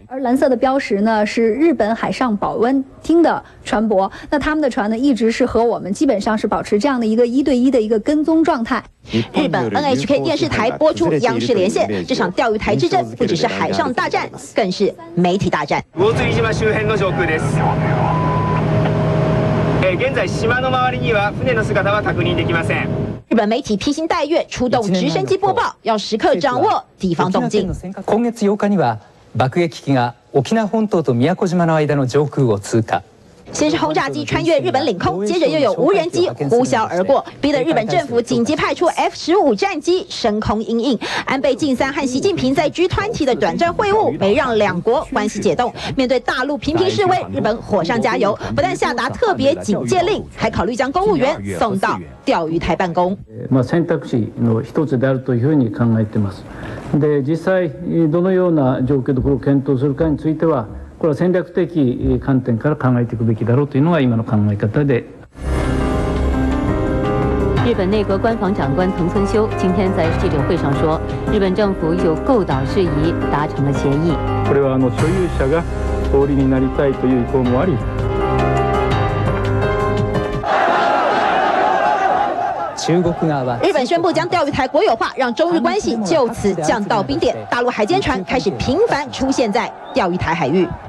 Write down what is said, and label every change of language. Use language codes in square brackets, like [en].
[zh] 而蓝色的标识呢，是日本海上保温厅的船舶，那他们的船呢，一直是和我们基本上是保持这样的一个一对一的一个跟踪状态。日本 NHK 电视台播出央视连线，这场钓鱼台之战不只是海上大战，更是媒体大战。 [ja] 魚釣島周辺の上空です。現在島の周りには船の姿は確認できません。 [zh] 日本媒体披星戴月出动直升机播报，要时刻掌握敌方动静。 [ja] 今月8日には爆撃機が沖縄本島と宮古島の間の上空を通過。 [zh] 先是轰炸机穿越日本领空，接着又有无人机呼啸而过，逼得日本政府紧急派出 F-15 战机升空应应。安倍晋三和习近平在 G20 的短暂会晤，没让两国关系解冻。面对大陆频频示威，日本火上加油，不但下达特别警戒令，还考虑将公务员送到钓鱼台办公。 [ja] 選択肢の一つであるというふうに考えています。で、実際どのような状況でこれを検討するかについては。これは戦略的観点から考えていくべきだろうというのが今の考え方で。 [zh] 日本内阁官房长官藤村修今天在记者会上说，日本政府有够岛事宜达成了协议。 [ja] これは所有者が総理になりたいという意向もあり。 [zh] 日本宣布将钓鱼台国有化，让中日关系就此降到冰点。大陆海监船开始频繁出现在钓鱼台海域。